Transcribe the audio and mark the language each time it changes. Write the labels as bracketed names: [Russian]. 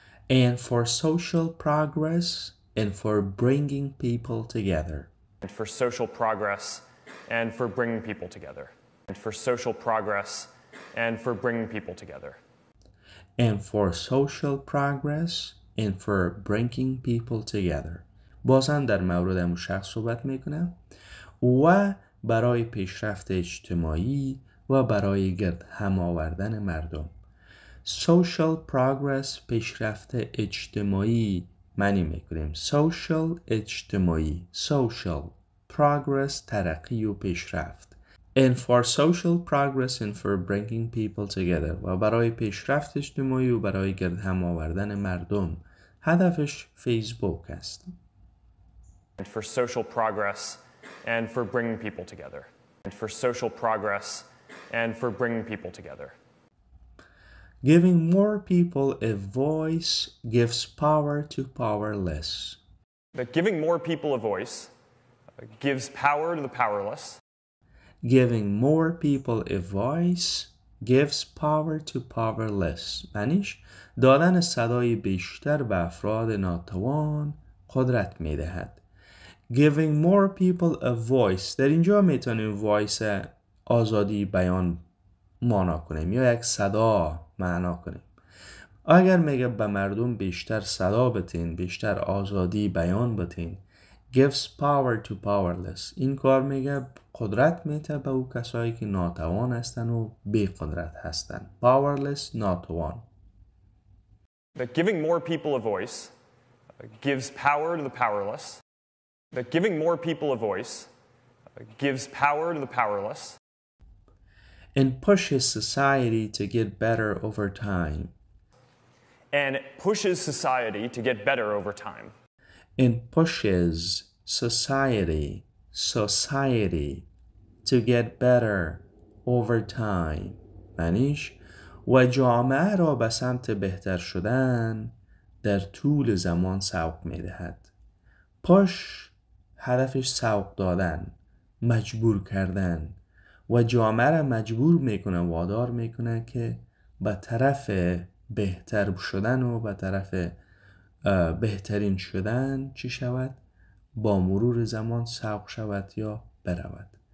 [English] And for social progress and for bringing people together. And for social progress and for bringing people together. And for social progress and for bringing people together. And for social progress and for bringing people together. [Persian] بازن در مورد همون شخص صحبت میکنم. و برای پیشرفت اجتماعی و برای گرد هم آوردن مردم. [English] Social progress [Persian] پیشرفت اجتماعی معنی میکنیم. [English] Social [Persian] اجتماعی. [English] Social progress [Persian] ترقی و پیشرفت. [English] And for social progress and for bringing people together. [Persian] و برای پیشرفت اجتماعی و برای گرد هم آوردن مردم. هدفش فیسبوک است. [English] And for social progress and for bringing people together. And for social progress and for bringing people together. Giving more people a voice gives power to powerless. But giving more people a voice gives power to the powerless. Giving more people a voice gives power to powerless. [Persian] معنیش دادن صدای بیشتر به افراد ناتوان قدرت میدهد. [English] Giving more people a voice. [Persian] در اینجا میتونیم voice آزادی بیان معنا کنیم یا یک صدا معنا کنیم. اگر میگه به مردم بیشتر صدا بتین، بیشتر آزادی بیان بتین، [English] gives power to powerless. [Persian] این کار میگه قدرت میده به او کسایی که ناتوان هستن و بی قدرت هستن. Powerless, ناتوان. [English] That giving more people a voice gives power to the powerless. That giving more people a voice gives power to the powerless. And pushes society to get better over time. And pushes society to get better over time. And pushes society to get better over time. [Persian] معنیش و جامعه را به سمت بهتر شدن در طول زمان سوق می دهد. Push هدفش سوق دادن، مجبور کردن و جامعه را مجبور می کنه، وادار می کنه که به طرف بهتر شدن و به طرف بهترین شدن چی شود؟ با مرور زمان سوق شود یا برود.